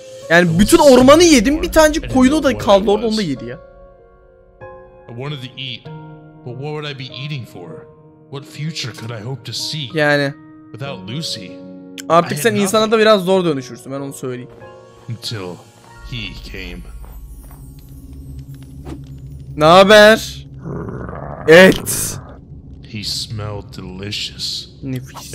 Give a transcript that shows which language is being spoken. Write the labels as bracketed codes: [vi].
[tr] Yani bütün ormanı yedim, bir tanecik koyunu da kaldı orada, onu da yedi ya. [en] I wanted to eat, but what would I be eating for? What future could I hope to see? [tr] Yani. [en] Without Lucy. [tr] Artık sen insana da biraz zor dönüşürsün, ben onu söyleyeyim. [en] Until he came. [tr] Ne haber? Et. [en] He smelled delicious. [tr] Nefis.